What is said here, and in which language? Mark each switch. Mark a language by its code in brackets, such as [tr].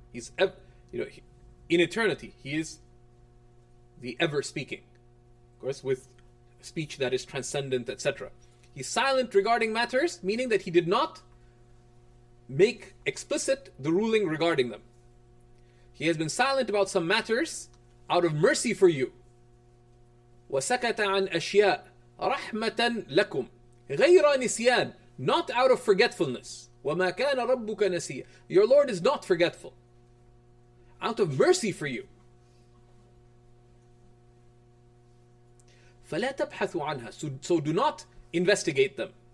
[en] He's, you know, in eternity, he is the ever-speaking. Of course, with speech that is transcendent, etc. He's silent regarding matters, meaning that he did not make explicit the ruling regarding them. He has been silent about some matters out of mercy for you. [ar] وَسَكَتَ عَنْ أَشْيَاءَ رَحْمَةً لَكُمْ غَيْرَ نِسْيَانٍ, [en] not out of forgetfulness. [ar] وَمَا كَانَ رَبُّكَ نَسِيًّا, [en] your Lord is not forgetful. Out of mercy for you. [ar] فَلَا تَبْحَثُ عَنْهَا, [en] so do not investigate them.